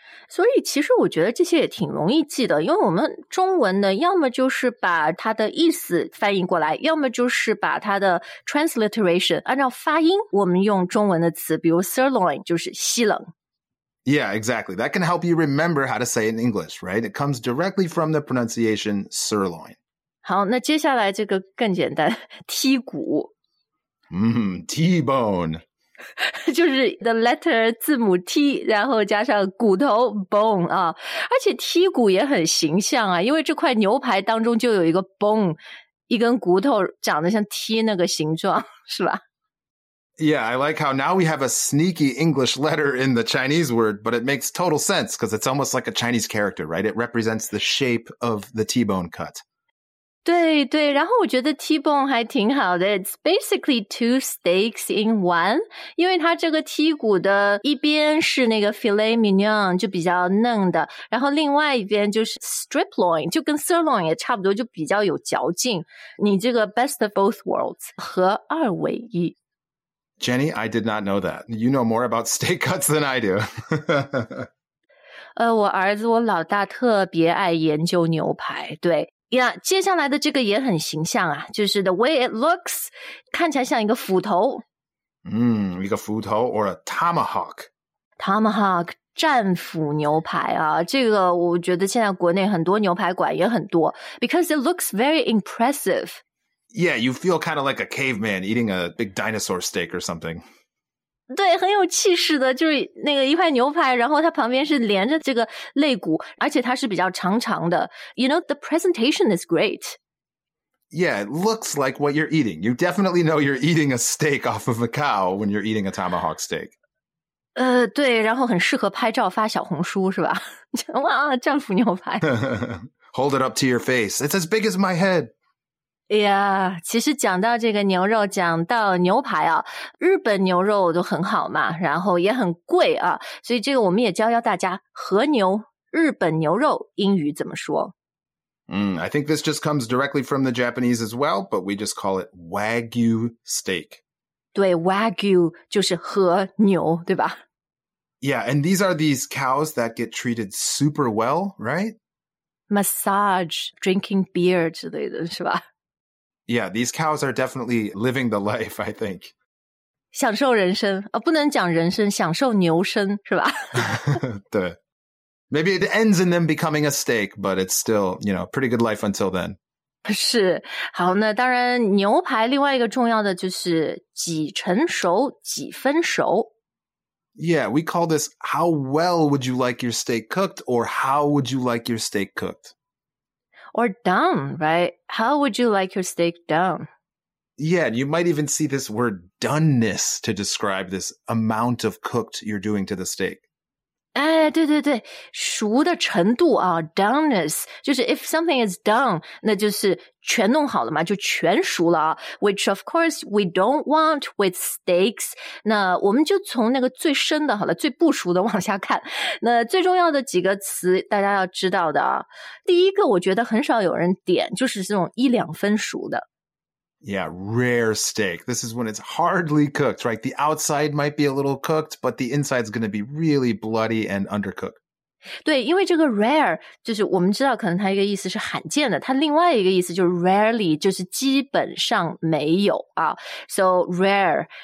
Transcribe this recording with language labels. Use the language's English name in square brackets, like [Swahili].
[Chinese] 所以其实我觉得这些也挺容易记的，因为我们中文呢，要么就是把它的意思翻译过来，要么就是把它的 transliteration 按照发音，我们用中文的词，比如 sirloin 就是西冷。 [English] Yeah, exactly. That can help you remember how to say it in English, right? It comes directly from the pronunciation sirloin. [Chinese] 好，那接下来这个更简单，剔骨。 [English] T-bone. [Chinese] 就是 [English] the letter [Chinese] 字母 T, 然后加上骨头 bone 啊。而且剔骨也很形象啊，因为这块牛排当中就有一个 bone, 一根骨头长得像 T 那个形状，是吧？ [English] Yeah, I like how now we have a sneaky English letter in the Chinese word, but it makes total sense because it's almost like a Chinese character, right? It represents the shape of the T-bone cut. [Chinese] 对对，然后我觉得 T-bone 还挺好的。 [English] It's basically two steaks in one, [Chinese] 因为它这个 T 骨的一边是那个 filet mignon, 就比较嫩的，然后另外一边就是 strip loin, 就跟 sirloin 也差不多，就比较有嚼劲。你这个 [English] best of both worlds, [Chinese] 合二为一。 [English] Jenny, I did not know that. You know more about steak cuts than I do. [Chinese] 我儿子，我老大特别爱研究牛排。对呀，接下来的这个也很形象啊，就是 [English] the way it looks, [Chinese] 看起来像一个斧头。一个斧头 [English] or a tomahawk. [Chinese] Tomahawk, 战斧牛排啊，这个我觉得现在国内很多牛排馆也很多 [English] because it looks very impressive. Yeah, you feel kind of like a caveman eating a big dinosaur steak or something. [Chinese] 对，很有气势的，就是那个一块牛排，然后它旁边是连着这个肋骨，而且它是比较长长的。 [English] You know, the presentation is great. Yeah, it looks like what you're eating. You definitely know you're eating a steak off of a cow when you're eating a tomahawk steak. [Chinese] 对，然后很适合拍照发小红书，是吧？哇，战斧牛排。 [English] Hold it up to your face. It's as big as my head. [Chinese] Yeah, 其实讲到这个牛肉，讲到牛排啊，日本牛肉都很好嘛，然后也很贵啊，所以这个我们也教教大家和牛，日本牛肉英语怎么说。 [English] I think this just comes directly from the Japanese as well, but we just call it Wagyu steak. [Chinese] 对 ,Wagyu 就是和牛，对吧？ [English] Yeah, and these are these cows that get treated super well, right? Massage, drinking beer [Chinese] 之类的是吧？ [English] Yeah, these cows are definitely living the life, I think. [Chinese] 享受人生，不能讲人生，享受牛生，是吧？对。 [English] Maybe it ends in them becoming a steak, but it's still, you know, pretty good life until then. [Chinese] 是。好，那当然牛排另外一个重要的就是几成熟，几分熟。 [English] Yeah, we call this how well would you like your steak cooked or how would you like your steak cooked? Or done, right? How would you like your steak done? Yeah, you might even see this word doneness to describe this amount of cooked you're doing to the steak. [Chinese] 哎，对对对，熟的程度啊 ,doneness, 就是 [English] if something is done, [Chinese] 那就是全弄好了嘛，就全熟了啊。 [English] Which of course we don't want with steaks. [Chinese] 那我们就从那个最深的好了，最不熟的往下看。那最重要的几个词大家要知道的啊。第一个我觉得很少有人点，就是这种一两分熟的。 [English] Yeah, rare steak. This is when it's hardly cooked, right? The outside might be a little cooked, but the inside's going to be really bloody and undercooked. [Chinese] 对，因为这个 rare, 就是我们知道可能它一个意思是罕见的，它另外一个意思就是 rarely, 就是基本上没有啊。 [English] So rare.